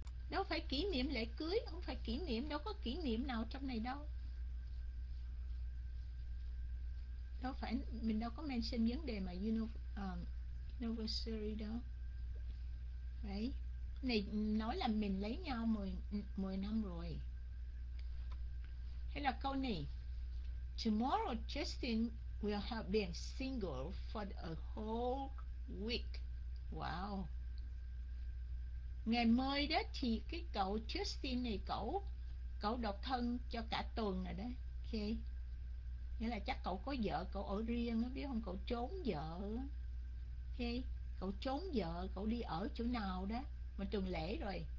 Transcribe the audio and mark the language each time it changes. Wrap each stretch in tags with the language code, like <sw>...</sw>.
<vi>Đâu phải kỷ niệm lễ cưới, không phải kỷ niệm, đâu có kỷ niệm nào trong này đâu. Đâu phải, mình đâu có mention vấn đề mà anniversary đâu. Đấy. Này nói là mình lấy nhau 10 năm rồi. Hay là câu này.</vi> <en>Tomorrow Justin will have been single for a whole week. Wow.</en> <vi>Ngày mai đó thì cái cậu Justin này cậu độc thân cho cả tuần rồi đó. Ok. Nghĩa là chắc cậu có vợ, cậu ở riêng á, biết không? Cậu trốn vợ. Ok. Cậu trốn vợ, cậu đi ở chỗ nào đó. Mà tuần lễ rồi.</vi>